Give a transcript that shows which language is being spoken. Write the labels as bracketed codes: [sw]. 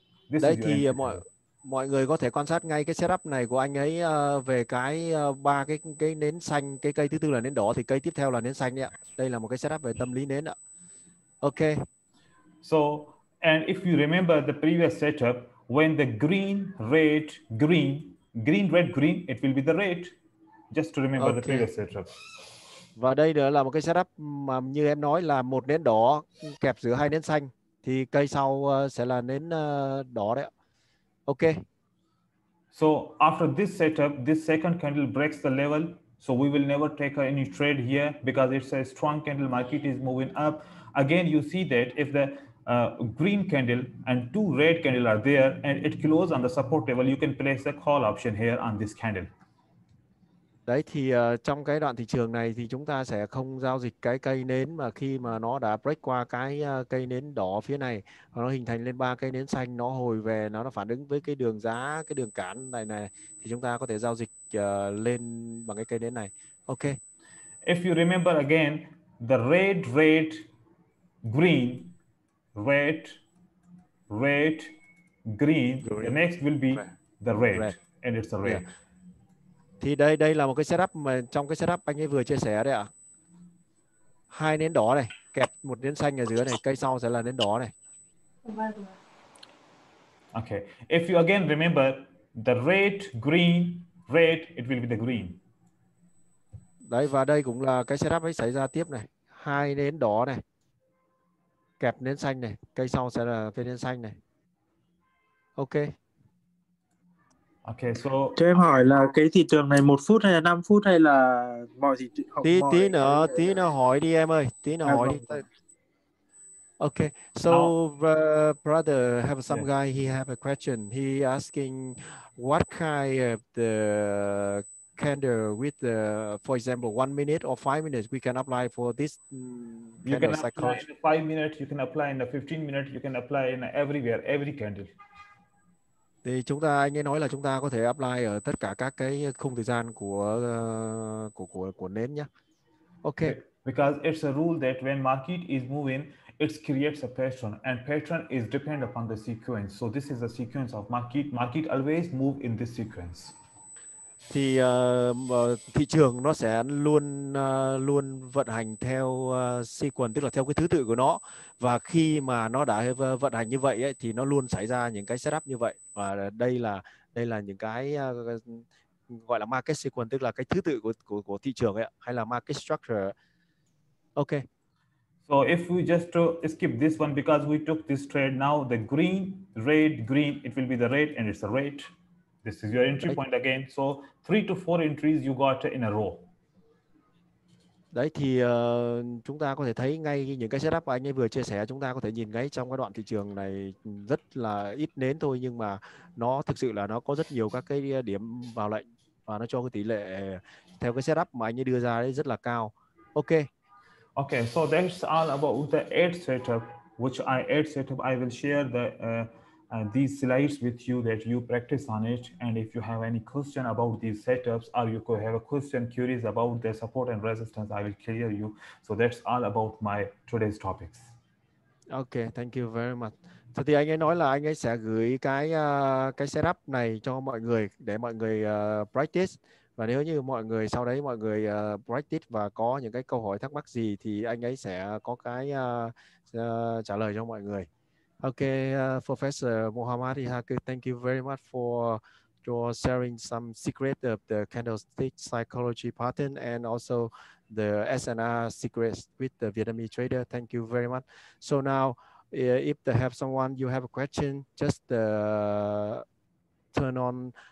[en] This [vi] đấy [en] is [vi] thì [en] your entry [vi] mọi người có thể quan sát ngay cái setup này của anh ấy về cái ba cái nến xanh, cái cây thứ tư là nến đỏ thì cây tiếp theo là nến xanh ạ. Đây là một cái setup về tâm lý nến ạ. [en] Ok. So and if you remember the previous setup, when the green, red, green, green, red, green, it will be the red. Just to remember okay. The previous setup. [vi] Và đây nữa là một cái setup mà như em nói là một nến đỏ kẹp giữa hai nến xanh thì cây sau sẽ là nến đỏ đấy ạ. [en] Okay. So after this setup, this second candle breaks the level. So we will never take any trade here because it's a strong candle. Market is moving up. Again, you see that if the green candle and two red candle are there and it close on the support level, you can place a call option here on this candle. [vi] Đấy thì trong cái đoạn thị trường này thì chúng ta sẽ không giao dịch cái cây nến mà khi mà nó đã break qua cái cây nến đỏ phía này và nó hình thành lên ba cây nến xanh, nó hồi về, nó phản ứng với cái đường giá, cái đường cản này này thì chúng ta có thể giao dịch lên bằng cái cây nến này. [en] Ok. If you remember again, the red, red, green, red, red, green, the next will be the red and it's the red. Yeah. [vi] Thì đây là một cái setup mà trong cái setup anh ấy vừa chia sẻ đấy ạ. Hai nến đỏ này, kẹp một nến xanh ở dưới này, cây sau sẽ là nến đỏ này. [en] Okay. If you again remember the red, green, red, it will be the green. [vi] Đấy và đây cũng là cái setup ấy xảy ra tiếp này, hai nến đỏ này. Kẹp nến xanh này, cây sau sẽ là phiên nến xanh này. [en] Ok. Okay, so [vi] cho em hỏi là cái thị trường này 1 phút hay là 5 phút hay là mọi gì tí mọi... tí nữa hỏi đi em ơi, tí nữa hỏi không. Đi. [en] Okay, so brother have some yeah. Guy he have a question. He asking what kind of the candle with the for example 1 minute or 5 minutes we can apply for this candle. You can apply in 5 minutes, you can apply in a 15 minutes, you can apply in everywhere every candle. [vi] Thì chúng ta anh ấy nói là chúng ta có thể apply ở tất cả các cái khung thời gian của nến nhá. [en] Ok. Because it's a rule that when market is moving, it creates a pattern and pattern is depend upon the sequence. So this is the sequence of market. Market always move in this sequence. [vi] Thì thị trường nó sẽ luôn luôn vận hành theo sequence, tức là theo cái thứ tự của nó. Và khi mà nó đã vận hành như vậy ấy, thì nó luôn xảy ra những cái setup như vậy. Và đây là những cái gọi là market sequence, tức là cái thứ tự của thị trường ấy, hay là market structure. [en] Ok. So if we just skip this one because we took this trade now, the green, red, green, it will be the red and it's a red. This is your entry point again. So 3 to 4 entries you got in a row. [vi] Đấy thì chúng ta có thể thấy ngay những cái setup mà anh ấy vừa chia sẻ, chúng ta có thể nhìn ngay trong cái đoạn thị trường này rất là ít nến thôi, nhưng mà nó thực sự là nó có rất nhiều các cái điểm vào lệnh và nó cho cái tỷ lệ theo cái setup mà anh ấy đưa ra đấy rất là cao. [en] Ok. Ok, so that's all about the 8 setup, which I 8 setup I will share the these slides with you that you practice on it, and if you have any question about these setups or you could have a question curious about their support and resistance, I will clear you. So that's all about my today's topics. Ok, thank you very much. [vi] So thì anh ấy nói là anh ấy sẽ gửi cái setup này cho mọi người để mọi người practice, và nếu như mọi người sau đấy mọi người practice và có những cái câu hỏi thắc mắc gì thì anh ấy sẽ có cái trả lời cho mọi người. [en] Okay, Professor Mohammad Ihaku, thank you very much for your sharing some secret of the candlestick psychology pattern and also the SNR secrets with the Vietnamese trader. Thank you very much. So now, if they have someone, you have a question, just turn on.